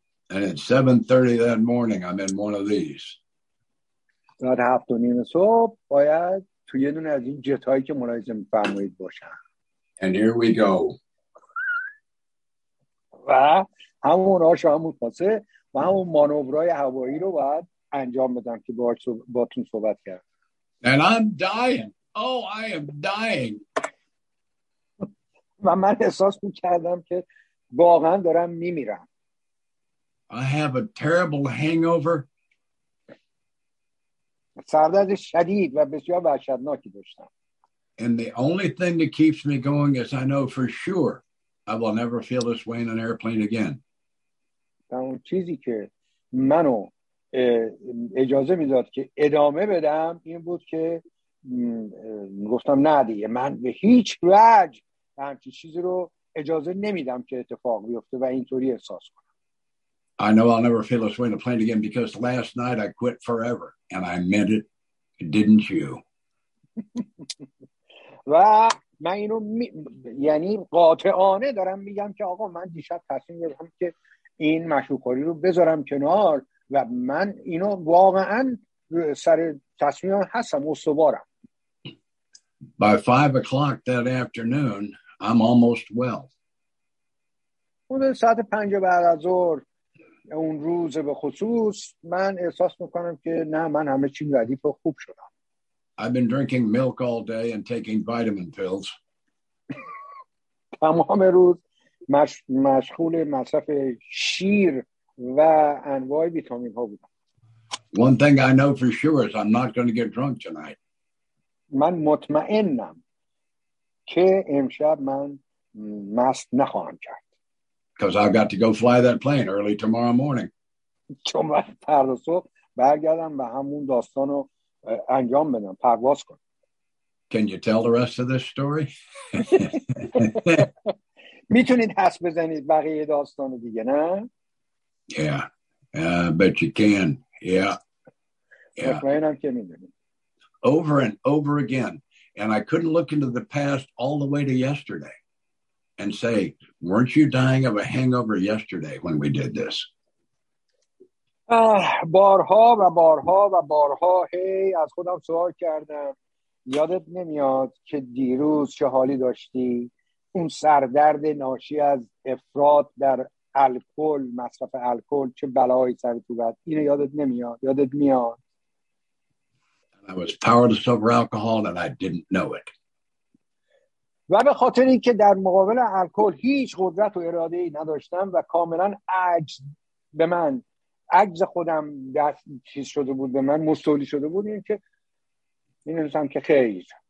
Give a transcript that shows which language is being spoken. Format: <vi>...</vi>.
<en>And at 7:30 that morning I'm in one of these.</en> <fa>ساعت 7:30 صبح باید تو یه دونه از این جتایی که ملاحظه می‌فرمایید باشم.</fa> <en>And here we go.</en> <fa>و همون آش و همون پاسه و همون مانورهای هوایی رو باید انجام بدم که باهاتون صحبت کرد.</fa> <en>And I'm dying. Oh, I am dying.</en> <fa>و من احساس می‌کردم که واقعا دارم می‌میرم.</fa> <en>I have a terrible hangover.</en> <fa>سردرد شدید و بسیار وحشتناکی داشتم.</fa> <en>And the only thing that keeps me going is I know for sure I will never feel this way in an airplane again.</en> <fa>اون چیزی که منو اجازه میداد که ادامه بدم این بود که گفتم نه دیگه، من به هیچ وجه همچین چیزی رو اجازه نمیدم که اتفاق بیفته و اینطوری احساس کنم.</fa> <en>I know I'll never feel this way in a plane again because last night I quit forever and I meant it, didn't you?</en> <fa>و من اینو یعنی قاطعانه دارم میگم که آقا من دیشب تصمیم گرفتم که این مشروب‌خوری رو بذارم کنار و من اینو واقعا سر تصمیم هستم و استوارم.</fa> <en>By 5 o'clock that afternoon, I'm almost well.</en> <fa>اون ساعت 5 بعد از ظهر اون روز به خصوص من احساس میکنم که نه، من همه چیم ردیف و خوب شدم.</fa> <en>I've been drinking milk all day and taking vitamin pills.</en> <fa>تمام روز مشغول مصرف شیر و انواع ویتامین ها بودم.</fa> <en>One thing I know for sure is I'm not going to get drunk tonight.</en> <fa>من مطمئنم که امشب من مست نخواهم کرد.</fa> <en>Because I've got to go fly that plane early tomorrow morning.</en> <fa>چون من فردا صبح برگردم به همون داستان رو انجام بدم، پرواز کنم.</fa> <en>Can you tell the rest of this story?</en> <fa>میتونید حس بزنید بقیه داستان دیگه نه؟</fa> <en>Yeah, I bet you can. Yeah.</en> <fa>مطمئنم که میدونید.</fa> <en>Over and over again. And I couldn't look into the past all the way to yesterday. And say, weren't you dying of a hangover yesterday when we did this?</en> <fa>بارها و بارها و بارها هی از خودم سوال کردم. یادت نمیاد که دیروز چه حالی داشتی؟ اون سردرد ناشی از افراط در الکل، مصرف الکل چه بلایی سر تو بعد اینو یادت نمیاد، یادت میاد.</fa> <en>I was powerless over alcohol and I didn't know it.</en> <fa>و به خاطر اینکه در مقابل الکل هیچ قدرت و اراده ای نداشتم و کاملا عجز به من، عجز خودم دست چیز شده بود، به من مستولی شده بود، این که این انسان که خیر.</fa>